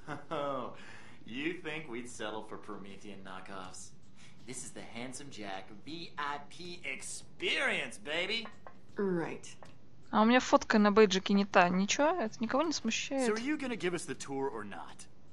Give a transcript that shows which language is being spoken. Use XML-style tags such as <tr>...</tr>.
<en>Oh, you think we'd settle for Promethean knockoffs? This is the Handsome Jack VIP experience, baby. Right.</en> <ru>А у меня фотка на бейджике не та. Ничего, это никого не смущает.</ru> <en>So are you gonna give us the tour or not?</en>